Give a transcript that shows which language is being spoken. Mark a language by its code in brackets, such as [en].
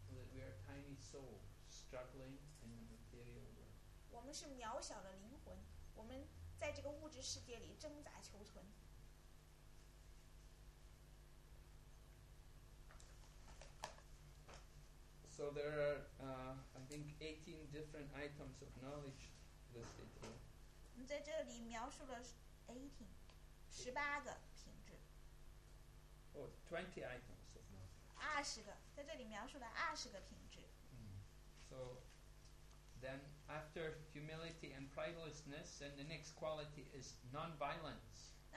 [en] That we are tiny souls struggling in the material world. [zh] 我们是渺小的灵魂，我们在这个物质世界里挣扎求存。 [en] So there are, I think, 18 different items of knowledge listed here. [zh] 你在这里描述了18个品质。 [en] Oh, 20 items of knowledge. [zh] 20个，在这里描述了20个品质。 [en] So then after humility and pridelessness, then the next quality is non-violence.